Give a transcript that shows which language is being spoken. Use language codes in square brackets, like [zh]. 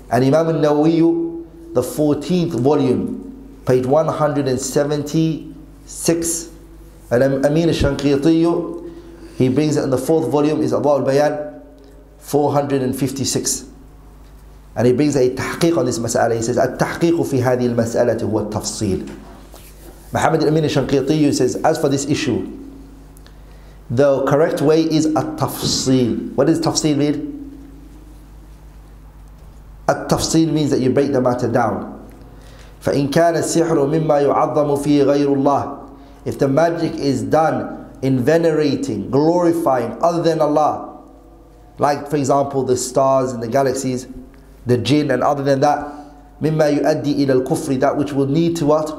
[en] And Imam al-Nawawi, the 14th volume, page 176. And Amin al-Shanqiti, he brings it in the 4th volume, is Adwa al-Bayan, 456. And he brings a tahqiq on this mas'ala. He says, [ar] التحقيق في هذه المسألة هو التفصيل. [en] Muhammad al-Amin al-Shanqiti says, as for this issue, the correct way is التفصيل. What does التفصيل mean? التفصيل means that you break the matter down. [ar] فإن كان السحر مما يعظم فيه غير الله. [en] If the magic is done in venerating, glorifying other than Allah, like, for example, the stars and the galaxies, the jinn, and other than that, [ar] مما يؤدي إلى الكفر, [en] that which will need to what?